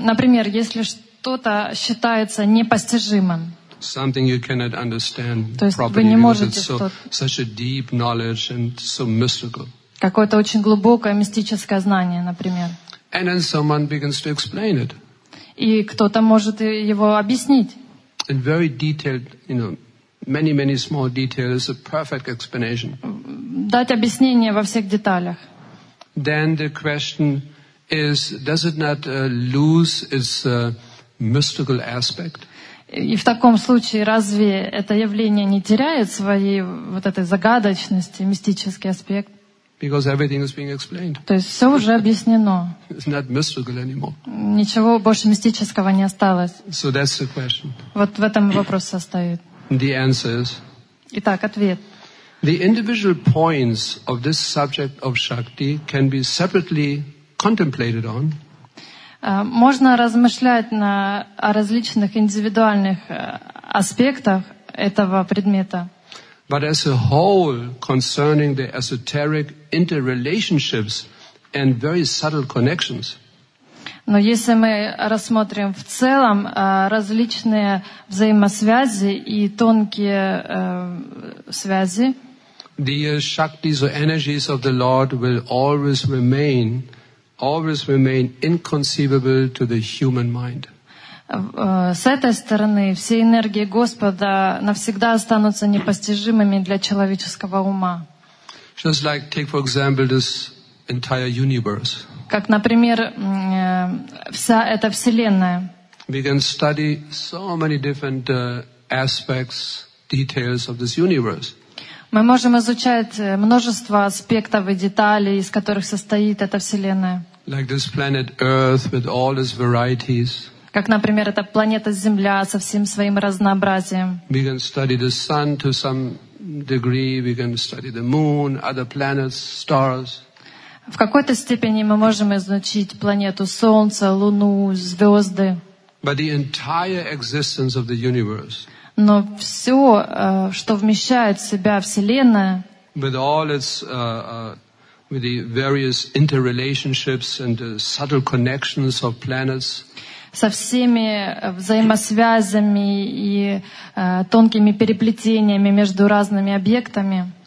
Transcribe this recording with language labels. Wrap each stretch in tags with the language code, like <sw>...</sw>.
<ru>Например, если что-то считается непостижимым.</ru> <en>Something you cannot understand properly.</en> <ru>То есть</ru> <en>properly,</en> <ru>вы не можете что-то.</ru> <en>Such a deep knowledge and so mystical.</en> <ru>Какое-то очень глубокое мистическое знание, например.</ru> <en>And then someone begins to explain it.</en> <ru>И кто-то может его объяснить.</ru> <en>In very detailed, you know, many, many small details, a perfect explanation.</en> <ru>Дать объяснение во всех деталях.</ru> <en>Then the question is, does it not lose its mystical aspect?</en> <ru>И в таком случае разве это явление не теряет своей вот этой загадочности, мистический аспект?</ru> <en>Because everything is being explained.</en> <ru>То есть все уже объяснено.</ru> <en>It's not mystical anymore.</en> <ru>Ничего больше мистического не осталось.</ru> <en>So that's the question.</en> <ru>Вот в этом вопрос состоит.</ru> <en>The answer is.</en> <ru>Итак, ответ.</ru> <en>The individual points of this subject of shakti can be separately contemplated on.</en> <ru>Можно размышлять на о различных индивидуальных аспектах этого предмета.</ru> <en>But as a whole, concerning the esoteric interrelationships and very subtle connections.</en> <ru>Но если мы рассмотрим в целом различные взаимосвязи и тонкие связи,</ru> <en>the shaktis or energies of the Lord will always remain inconceivable to the human mind.</en> <ru>С этой стороны, все энергии Господа навсегда останутся непостижимыми для человеческого ума.</ru> <en>Just like, take for example, this entire universe.</en> <ru>Как, например, вся эта вселенная.</ru> <en>We can study so many different aspects, details of this universe.</en> <ru>Мы можем изучать множество аспектов и деталей, из которых состоит эта вселенная.</ru> <en>Like this planet Earth with all its varieties.</en> <ru>Как, например, эта планета Земля со всем своим разнообразием.</ru> <en>We can study the sun to some degree, we can study the moon, other planets, stars.</en> <ru>В какой-то степени мы можем изучить планету Солнце, Луну, звёзды.</ru> <en>But the entire existence of the universe.</en> <ru>Но всё, что вмещает в себя Вселенная.</ru> <en>With all its with the various interrelationships and the subtle connections of planets.</en> <ru>Со всеми взаимосвязями и тонкими переплетениями между разными объектами.</ru>